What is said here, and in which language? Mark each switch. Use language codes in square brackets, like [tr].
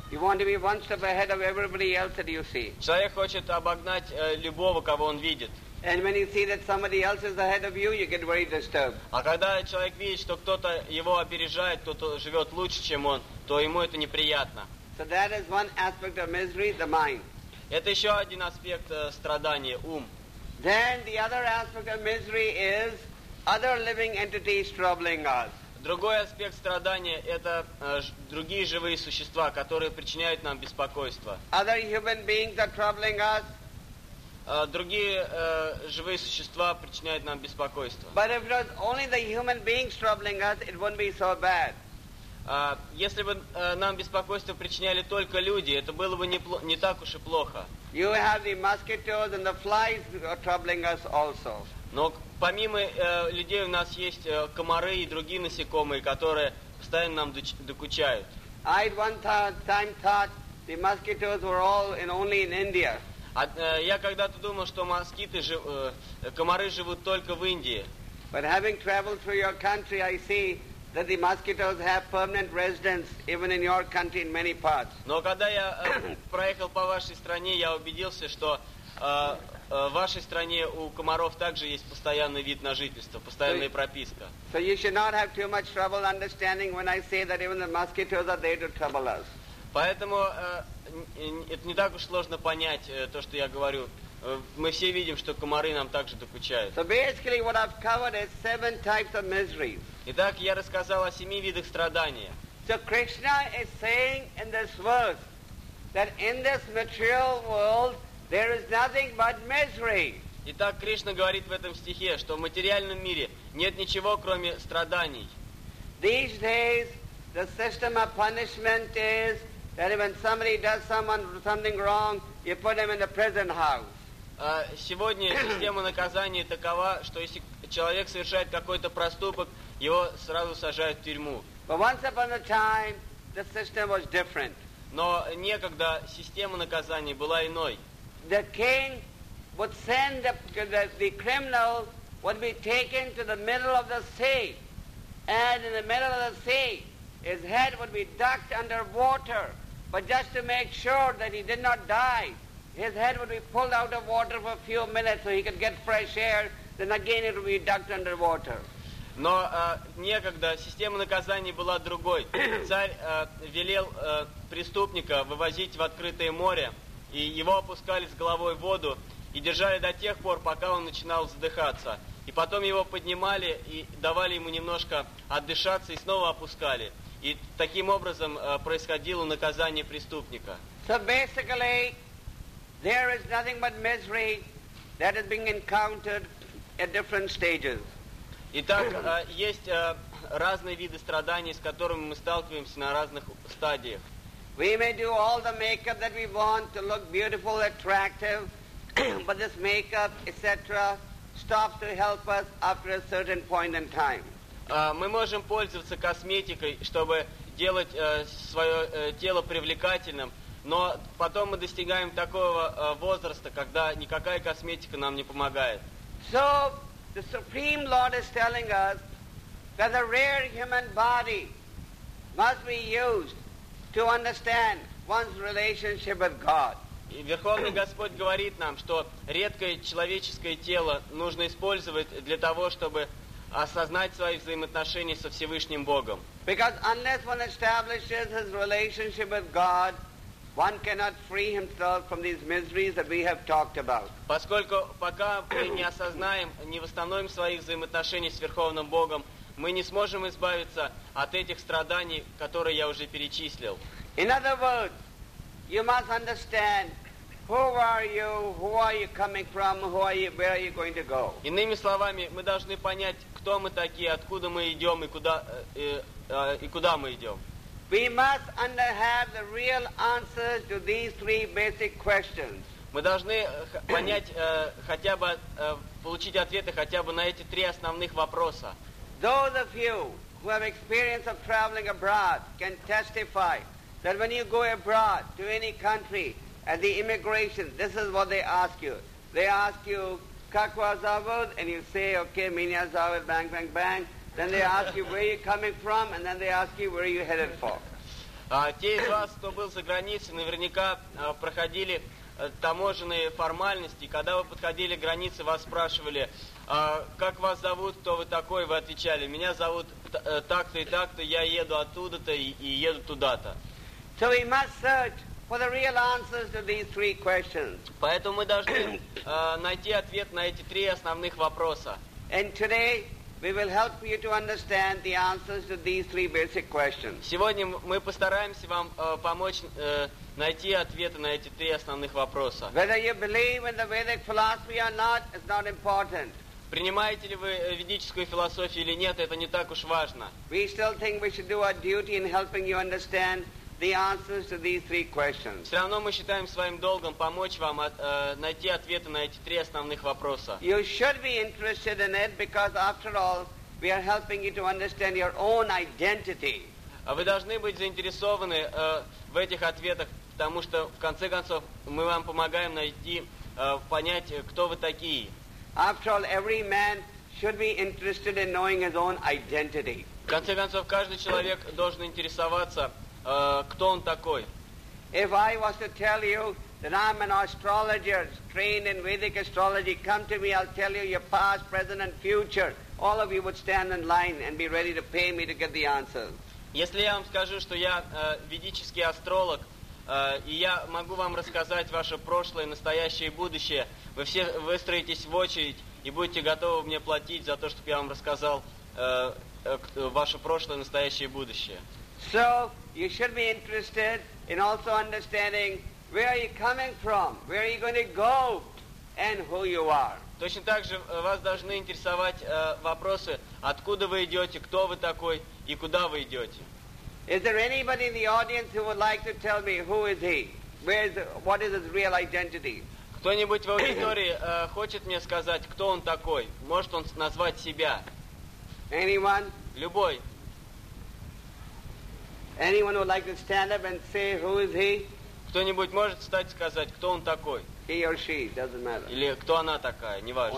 [en] You want to be one step ahead of everybody else that you see. [ru] Человек хочет обогнать любого, кого он видит. [en] And when you see that somebody else is ahead of you, you get very disturbed. [ru] А когда человек видит, что кто-то его опережает, кто-то живет лучше, чем он, то ему это неприятно. [en] So that is one aspect of misery, the mind. [ru] Это еще один аспект страдания, ум. [en] Then the other aspect of misery is other living entities troubling us. [ru] Другой аспект страдания — это другие живые существа, которые причиняют нам беспокойство. [en] Other human beings are troubling us. [ru] Другие живые существа причиняют нам беспокойство. [en] But if it was only the human beings troubling us, it wouldn't be so bad. [ru] Если бы нам беспокойство причиняли только люди, это было бы не так уж и плохо. [en] You have the mosquitoes and the flies troubling us also. [ru] Но помимо людей у нас есть комары и другие насекомые, которые постоянно нам докучают. [en] I at one time thought the mosquitoes were all and only in India. [ru] Я когда-то думал, что москиты, комары живут только в Индии. [en] But having traveled through your country, I see that the mosquitoes have permanent residence even in your country in many parts. [ru] Но когда я проехал по вашей стране, я убедился, что в вашей стране у комаров также есть постоянный вид на жительство, постоянная прописка. [en] So you should not have too much trouble understanding when I say that even the mosquitoes are there to trouble us. [ru] Поэтому это не так уж сложно понять, то, что я говорю. Мы все видим, что комары нам также докучают. [en] So basically what I've covered is seven types of misery. [ru] Итак, я рассказал о семи видах страдания. [en] So Krishna is saying in this verse that in this material world there is nothing but misery. [ru] Итак, Кришна говорит в этом стихе, что в материальном мире нет ничего, кроме страданий. [en] These days the system of punishment is that when somebody does something wrong, you put them in the prison house. [ru] Сегодня система наказания такова, что если человек совершает какой-то проступок, его сразу сажают в тюрьму. [en] But once upon a time, the system was different. [ru] Но некогда система наказания была иной. [en] The king would send the criminal would be taken to the middle of the sea, and in the middle of the sea, his head would be ducked under water. But just to make sure that he did not die, his head would be pulled out of water for a few minutes so he could get fresh air, then again it would be ducked under water. [ru] Но некогда система наказания была другой. Царь велел преступника вывозить в открытое море, и его опускали с головой в воду и держали до тех пор, пока он начинал задыхаться. И потом его поднимали и давали ему немножко отдышаться и снова опускали. И таким образом происходило наказание преступника. [en] So basically, there is nothing but misery that is being encountered at different stages. [ru] Итак, есть разные виды страданий, с которыми мы сталкиваемся на разных стадиях. [en] We may do all the makeup that we want to look beautiful, attractive, but this makeup, etc., stops to help us after a certain point in time. [ru] Мы можем пользоваться косметикой, чтобы делать свое тело привлекательным, но потом мы достигаем такого возраста, когда никакая косметика нам не помогает. [en] So the Supreme Lord is telling us that the rare human body must be used to understand one's relationship with God. [ru] И Верховный Господь говорит нам, что редкое человеческое тело нужно использовать для того, чтобы осознать свои взаимоотношения со Всевышним Богом. [en] Because unless one establishes his relationship with God, one cannot free himself from these miseries that we have talked about. [ru] Поскольку пока мы не осознаем, не восстановим своих взаимоотношений с Верховным Богом, мы не сможем избавиться от этих страданий, которые я уже перечислил. [en] In other words, you must understand who are you coming from, who are you, where are you going to go. [ru] Иными словами, мы должны понять, кто мы такие, откуда мы идем и куда мы идем. [en] We must have the real answers to these three basic questions. [ru] Мы должны понять хотя бы получить ответы хотя бы на эти три основных вопроса. [en] Those of you who have experience of traveling abroad can testify that when you go abroad to any country at the immigration, this is what they ask you. They ask you, [ru] как вас зовут? [en] And you say, okay, [ru] меня зовут, [en] bang, bang, bang. Then they ask you, where are you coming from? And then they ask you, where are you headed for? [ru] Те из вас, кто был за границей, наверняка проходили таможенные формальности. Когда вы подходили к границе, вас спрашивали, как вас зовут, кто вы такой, вы отвечали, меня зовут так-то и так-то, я еду оттуда-то и еду туда-то. [en] So we must search for the real answers to these three questions. [ru] Поэтому мы должны найти ответ на эти три основных вопроса. [en] And today we will help you to understand the answers to these three basic questions. [ru] Сегодня мы постараемся вам помочь найти ответы на эти три основных вопроса. [en] Whether you believe in the Vedic philosophy or not is not important. [ru] Принимаете ли вы ведическую философию или нет, это не так уж важно. [en] We still think we should do our duty in helping you understand the answers to these three questions. [ru] Все равно мы считаем своим долгом помочь вам найти ответы на эти три основных вопроса. [en] You should be interested in it because, after all, we are helping you to understand your own identity. [ru] Вы должны быть заинтересованы в этих ответах, потому что, в конце концов, мы вам помогаем найти, понять, кто вы такие. [en] After all, every man should be interested in knowing his own identity. [ru] В конце концов, каждый человек должен интересоваться, кто он такой. [en] If I was to tell you that I'm an astrologer trained in Vedic astrology, come to me, I'll tell you your past, present and future. All of you would stand in line and be ready to pay me to get the answers. [ru] Если я вам скажу, что я ведический астролог, и я могу вам рассказать ваше прошлое, настоящее и будущее, вы все выстроитесь в очередь и будете готовы мне платить за то, чтобы я вам рассказал ваше прошлое, настоящее и будущее. [en] So, you should be interested in also understanding where are you coming from, where are you going to go, and who you are. [ru] Точно так же вас должны интересовать вопросы, откуда вы идете, кто вы такой и куда вы идете. [en] Is there anybody in the audience who would like to tell me who is he? What is his real identity? [ru] Кто-нибудь в аудитории хочет мне сказать, кто он такой? Может он назвать себя? [en] Anyone? [ru] Любой. [en] Anyone would like to stand up and say who is he? [ru] Кто-нибудь может встать и сказать, кто он такой? [en] He or she, doesn't matter. [ru] Или кто она такая, неважно.